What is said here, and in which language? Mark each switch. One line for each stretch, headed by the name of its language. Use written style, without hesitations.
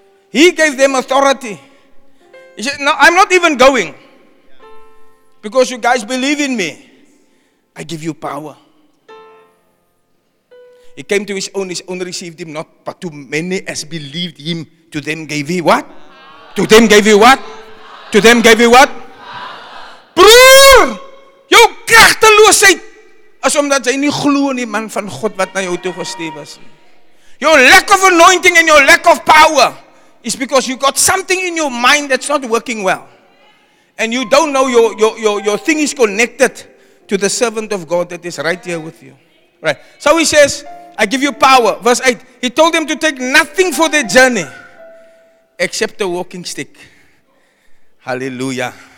English: He gave them authority. He said, no, I'm not even going. Because you guys believe in me. I give you power. He came to his own received him not, but to many as believed him, to them gave he what? To them gave he what? To them gave he what?
Afrikaans: Broer, jou kragteloosheid is omdat jy nie glo in die man van God wat na jou toe gestuur was.
English: Your lack of anointing and your lack of power is because you got something in your mind that's not working well. And you don't know your thing is connected to the servant of God that is right here with you. Right. So he says, I give you power. Verse 8. He told them to take nothing for their journey except a walking stick. Hallelujah.